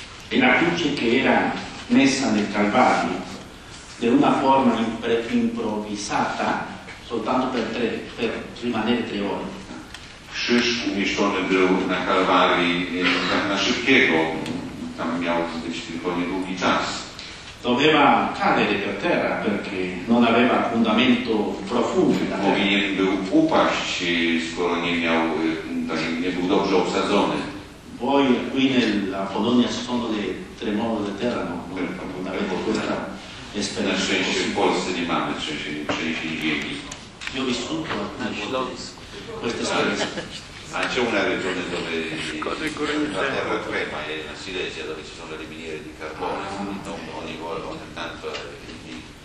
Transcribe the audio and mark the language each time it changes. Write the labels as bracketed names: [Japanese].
[Italian] E la croce che era messa nel Calvario, di una forma improvvisata, soltanto per rimanere tre ore. [Polish] Krzyż umieszczony był na Kalwarii tak na szybkiego, tam miał być tylko niedługi czas. [Italian] Doveva cadere per terra, perché non aveva fondamento profondo. [Polish] Powinien był upaść, skoro nie był dobrze obsadzony. [Italian] Poi qui nella Polonia ci sono dei tremori di terra, no? Non avevo questa esperienza. [Polish] Na szczęście w Polsce nie mamy trzęsień ziemi. [Italian] Io ho vissuto alcune volte questa esperienza. Ma c'è una regione dove la terra trema, è la Silesia, dove ci sono le miniere di carbone. Ogni volta, ogni tanto, lì.